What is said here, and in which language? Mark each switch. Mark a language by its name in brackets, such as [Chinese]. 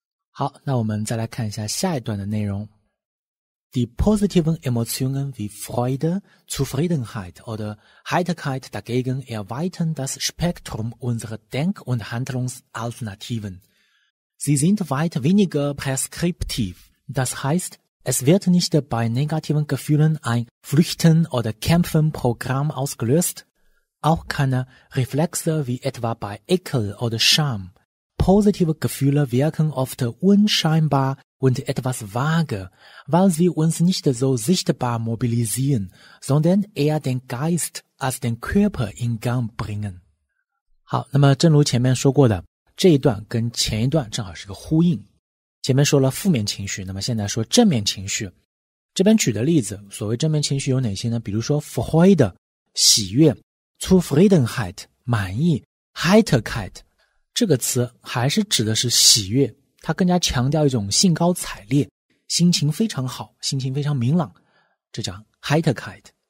[Chinese] 好，那我们再来看一下下一段的内容。 [German] Die positiven Emotionen wie Freude, Zufriedenheit oder Heiterkeit dagegen erweitern das Spektrum unserer Denk- und Handlungsalternativen. Sie sind weit weniger preskriptiv. Das heißt, es wird nicht bei negativen Gefühlen ein Flüchten- oder Kämpfen-Programm ausgelöst, auch keine Reflexe wie etwa bei Ekel oder Scham. Positive Gefühle wirken oft unscheinbar und etwas vage, weil sie uns nicht so sichtbar mobilisieren, sondern eher den Geist als den Körper in Gang bringen. [Chinese] 好，那么正如前面说过的，这一段跟前一段正好是个呼应。前面说了负面情绪，那么现在说正面情绪。这边举的例子，所谓正面情绪有哪些呢？比如说 Freude 喜悦 ，Zufriedenheit 满意 ，Heiterkeit 这个词还是指的是喜悦，它更加强调一种兴高采烈，心情非常好，心情非常明朗，这叫 Heiterkeit。